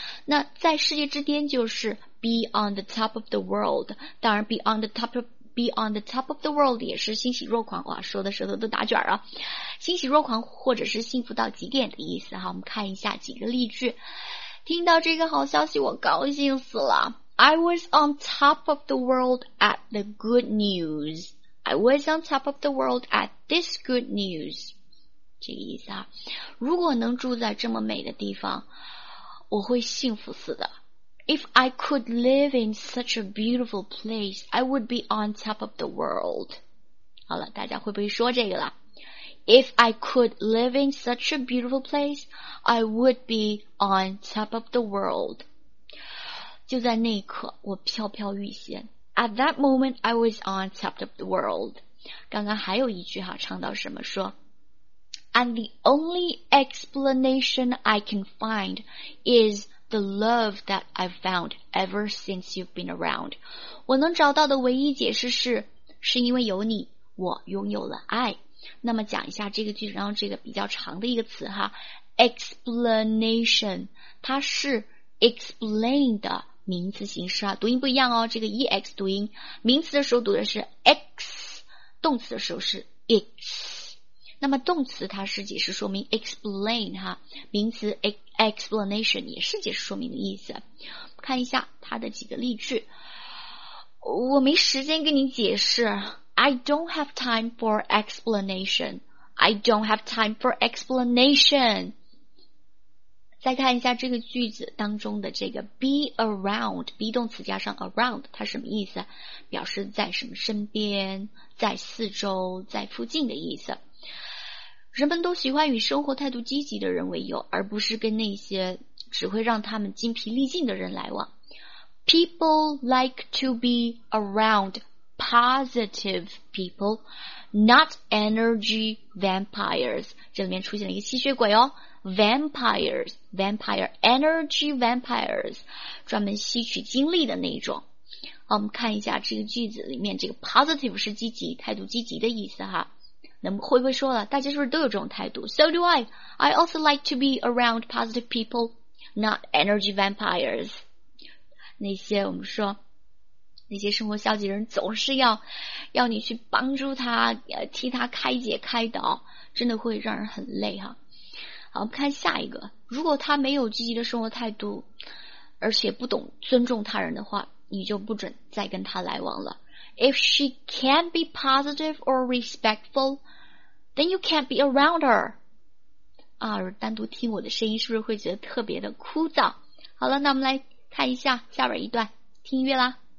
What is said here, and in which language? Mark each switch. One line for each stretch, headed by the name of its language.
Chinese: 那在世界之巅就是
English: be on the top of the world，
Chinese: 当然 be on the top of the world 也是欣喜若狂，哇，说的舌头都打卷啊，欣喜若狂或者是幸福到极点的意思哈。我们看一下几个例句。听到这个好消息我高兴死了。
English: I was on top of the world at the good news. I was on top of the world at this good news.
Chinese: 这个意思啊，如果能住在这么美的地方我会幸福死的。
English: If I could live in such a beautiful place, I would be on top of the world.
Chinese: 好了，大家会不会说这个了？
English: If I could live in such a beautiful place, I would be on top of the world.
Chinese: 就在那一刻，我飘飘欲仙。
English: At that moment, I was on top of the world.
Chinese: 刚刚还有一句哈，唱到什么说？
English: And the only explanation I can find is... The love that I've found ever since you've been around.
Chinese: 我能找到的唯一解释是因为有你，我拥有了爱。那么讲一下这个句子，然后这个比较长的一个词哈 ,explanation, 它是 explain 的名词形式啊，读音不一样哦，这个 ex 读音，名词的时候读的是 x, 动词的时候是 x。那么动词它是解释说明 explain 哈，名词 explanation 也是解释说明的意思。看一下它的几个例句。我没时间跟你解释。
English: I don't have time for explanation. I don't have time for explanation.
Chinese: 再看一下这个句子当中的这个 be around, be 动词加上 around, 它什么意思？表示在什么身边，在四周，在附近的意思。人们都喜欢与生活态度积极的人为友，而不是跟那些只会让他们精疲力尽的人来往。
English: People like to be around positive people, not energy vampires.
Chinese: 这里面出现了一个吸血鬼哦， vampires, vampire, energy vampires, 专门吸取精力的那种。我们看一下这个句子里面，这个 positive 是积极，态度积极的意思哈。那么会不会说了，大家是不是都有这种态度？
English: So do I. I also like to be around positive people, not energy vampires.
Chinese: 那些我们说那些生活消极人总是要你去帮助他，替他开解开导，真的会让人很累哈。好，我们看下一个。如果他没有积极的生活态度，而且不懂尊重他人的话，你就不准再跟他来往了。
English: If she can't be positive or respectful, then you can't be around her.
Chinese: 啊，单独听我的声音是不是会觉得特别的枯燥？好了，那我们来看一下下边一段，听音乐啦。